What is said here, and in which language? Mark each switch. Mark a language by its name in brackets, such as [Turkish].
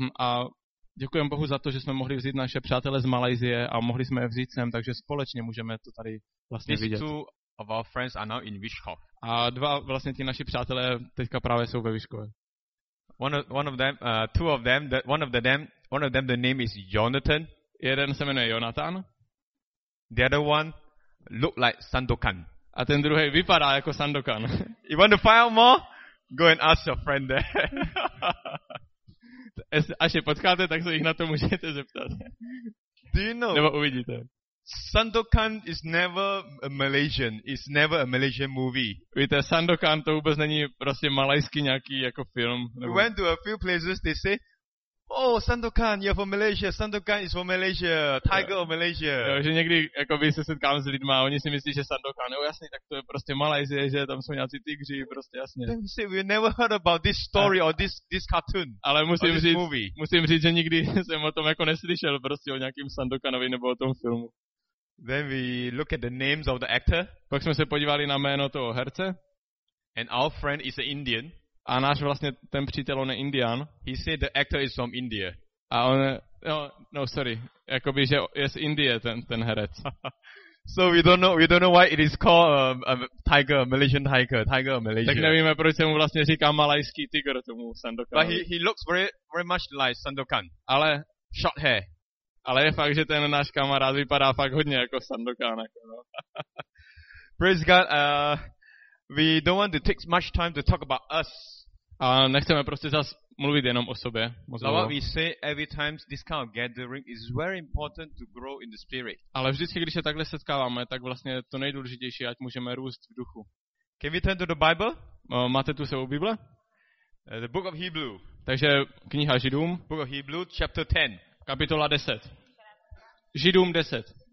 [Czech] A děkujeme Bohu za to, že jsme mohli vzít naše přátele z Malajzie a mohli jsme je vzít sem, takže společně můžeme to tady vlastně [English] this [Czech] vidět. [English] Two of our friends are now in Vyškov. [Czech] A dva vlastně ti naši přátelé teďka právě jsou ve Vyškově. [English] One of them, the name is Jonathan. [Czech] Jeden se jmenuje Jonathan. [English] The other one look like Sandokan. [Czech] A ten druhý vypadá jako Sandokan. [English] You want to find out more? Go and ask your friend there. [Czech] Až je potkáte, tak se jich na to můžete zeptat. [English] Do you know? [Czech] Nebo uvidíte. [English] Sandokan is never a Malaysian. It's never a Malaysian movie. [Czech] Víte, Sandokan to vůbec není prostě malajský nějaký jako film. Nebo... [English] Went to a few places, they say, oh, Sandokan, you're from Malaysia. Sandokan is from Malaysia. Tiger of Malaysia. [Czech] Jo, že někdy jako by se setkám s lidma a oni si myslí, že Sandokan. Jo, jasně, tak to je prostě Malajzie, že tam jsou nějací tygři, prostě jasně. [English] Then say, we never heard about this story or this cartoon. [Czech] Ale musím říct, že nikdy jsem o tom jako neslyšel, prostě o nějakým Sandokanovi nebo o tom filmu. [English] Then we look at the names of the actor. [Czech] Pak jsme se podívali na jméno toho herce. [English] And our friend is an Indian. [Czech] A náš vlastně ten přítel, on je Indian. [English] He said the actor is from India. [Czech] A on je, no, sorry. Jakoby, že je z Indie ten herec. [English] So we don't know why it is called a Malaysian tiger of Malaysia. [Czech] Tak nevíme, proč se mu vlastně říká malajský tiger tomu Sandokan. [English] But he looks very very much like Sandokan. [Czech] Ale [English] short hair. [Czech] Ale je fakt, že ten náš kamarád vypadá fakt hodně jako Sandokan. Jako, no. [English] Praise God, we don't want to take much time to talk about us. [Czech] A nechceme prostě zas mluvit jenom o sobě. [English] What we say every time this kind of gathering is very important to grow in the spirit. [Czech] Ale vždycky, když se takhle setkáváme, tak vlastně to nejdůležitější, ať můžeme růst v duchu. [English] Can we turn to the Bible? [Czech] Máte tu svou Bible? [English] The book of Hebrew. [Czech] Takže kniha Židům. [English] Book of Hebrew, chapter 10. [Czech] Kapitola 10. Židům 10.